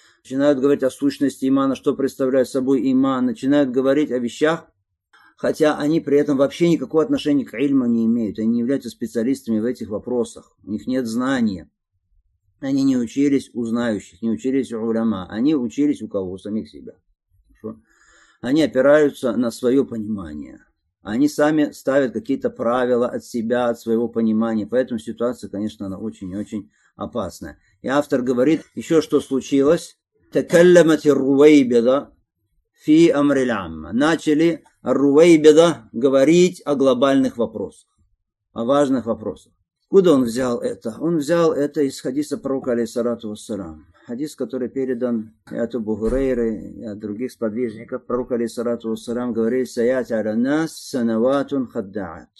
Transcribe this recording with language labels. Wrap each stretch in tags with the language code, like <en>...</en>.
<ru>Начинают говорить о сущности имана, что представляет собой иман, начинают говорить о вещах, хотя они при этом вообще никакого отношения к ильму не имеют, они не являются специалистами в этих вопросах, у них нет знания, они не учились у знающих, не учились у уляма, они учились у кого? У самих себя. Хорошо? Они опираются на свое понимание, они сами ставят какие-то правила от себя, от своего понимания, поэтому ситуация, конечно, она очень-очень опасная. И автор говорит, еще что случилось?</ru> <ar>تكلمت الرويبدة في أمر العامة.</ar> <ru>Начали الرويبدة говорить о глобальных вопросах, о важных вопросах. Куда он взял это? Он взял это из хадиса пророка алейхиссалату вассалям. Хадис, который передан от Абу Хурейры и от других сподвижников. Пророк алейхиссалату вассалям говорит:</ru> <ar>«Саяти аля нас санаватун хаддаат».</ar>